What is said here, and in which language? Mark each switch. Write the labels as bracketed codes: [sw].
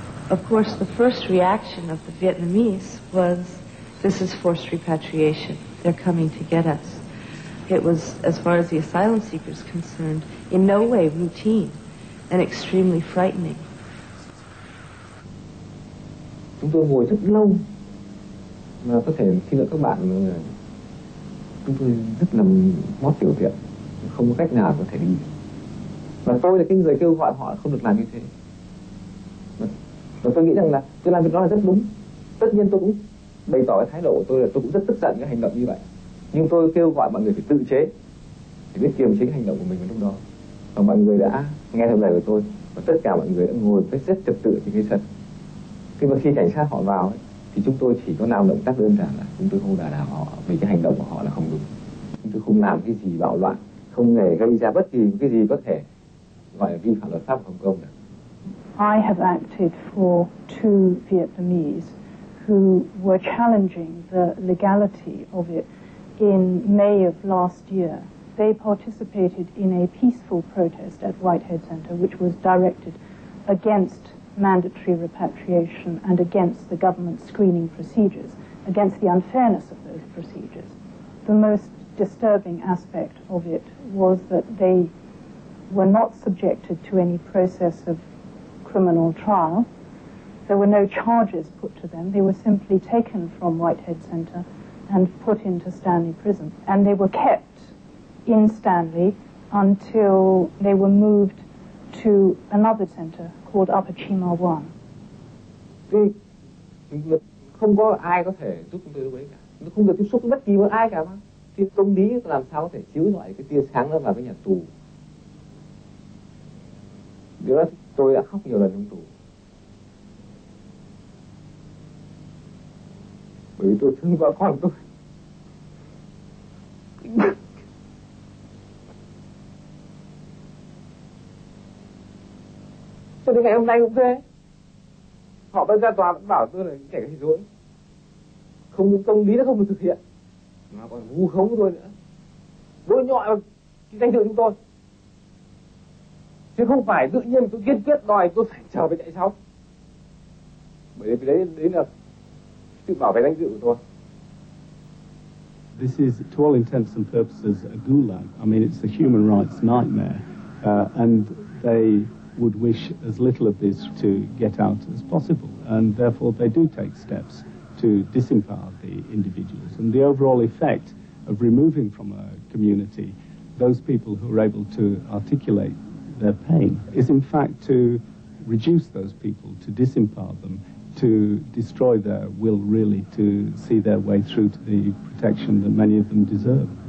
[en] Of course, the first reaction of the Vietnamese was, "This is forced repatriation. They're coming to get us." It was, as far as the asylum seekers concerned, in no way routine, and extremely frightening. [vi] Chúng tôi ngồi rất lâu. Mà có thể xin lỗi các bạn, chúng tôi rất là mót tiểu tiện, không có cách nào có thể đi. Và tôi là cái người kêu gọi họ không được làm như thế. Và tôi nghĩ rằng là tôi làm việc đó là rất đúng. Tất nhiên tôi cũng bày tỏ cái thái độ của tôi là tôi cũng rất tức giận cái hành động như vậy. Nhưng tôi kêu gọi mọi người phải tự chế, để biết kiềm chế cái hành động của mình vào lúc đó. Và mọi người đã nghe theo lời của tôi, và tất cả mọi người đã ngồi với rất trật tự trên cái sân. Khi mà khi cảnh sát họ vào ấy, thì chúng tôi chỉ có làm động tác đơn giản là chúng tôi không đả đảo họ vì cái hành động của họ là không đúng. Chúng tôi không làm cái gì bạo loạn, không hề gây ra bất kỳ cái gì có thể gọi là vi phạm luật pháp của Hồng Kông được. [en] I have acted for two Vietnamese who were challenging the legality of it in May of last year. They participated in a peaceful protest at Whitehead Center, which was directed against mandatory repatriation and against the government screening procedures, against the unfairness of those procedures. The most disturbing aspect of it was that they were not subjected to any process of criminal trial. There were no charges put to them. They were simply taken from Whitehead Center and put into Stanley Prison. And they were kept in Stanley until they were moved to another center called Upper Chima One. [vi] Không có ai có thể giúp tôi được cả. Không được tiếp xúc bất kỳ với ai cả. Thì tâm lý làm sao có thể chiếu rọi cái tia sáng đó vào cái nhà tù? Điều đó tôi đã khóc nhiều lần trong tù. Bởi vì tôi thương vợ con tôi. Cho đến ngày hôm nay cũng thế. Họ vẫn ra tòa vẫn bảo tôi là kẻ gây rối. Không những công lý nó không được thực hiện, mà còn vu khống tôi nữa. Bôi nhọ cái danh dự chúng tôi. Chứ không phải tự nhiên tôi kiên quyết đòi tôi phải trở về chạy sau. Bởi vì đấy là sự bảo vệ danh dự của tôi. [en] This is, to all intents and purposes, a gulag. I mean, it's a human rights nightmare. And they would wish as little of this to get out as possible, and therefore they do take steps to disempower the individuals. And the overall effect of removing from a community those people who are able to articulate their pain is in fact to reduce those people, to disempower them, to destroy their will really to see their way through to the protection that many of them deserve.